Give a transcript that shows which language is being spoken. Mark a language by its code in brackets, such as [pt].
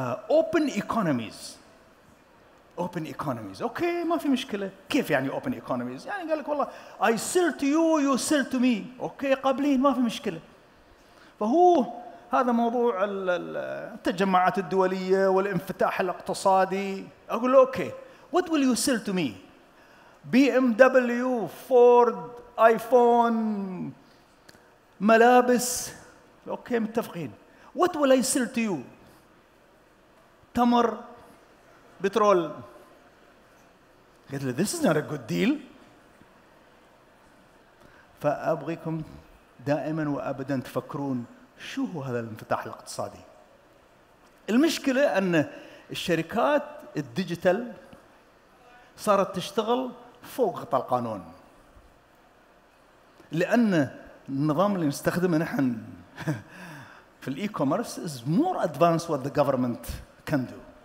[en] open economies [ar] open economies أوكي ما في مشكلة كيف يعني open economies يعني قال لك والله [en] I sell to you you sell to me [ar] أوكي قابلين ما في مشكلة فهو هذا موضوع التجمعات الدولية والانفتاح الاقتصادي أقول له أوكي [en] What will you sell to me? [ar] BMW, Ford, iPhone ملابس اوكي متفقين. [en] What will I sell to you? [ar] تمر, بترول. قلت له [en] this is not a good deal. [ar] فأبغيكم دائما وأبدا تفكرون شو هو هذا الانفتاح الاقتصادي. المشكلة أن الشركات الديجيتال صارت تشتغل فوق خط القانون, لأن النظام اللي نستخدمه نحن في الإي كوميرس [en] is more advanced what the government can do.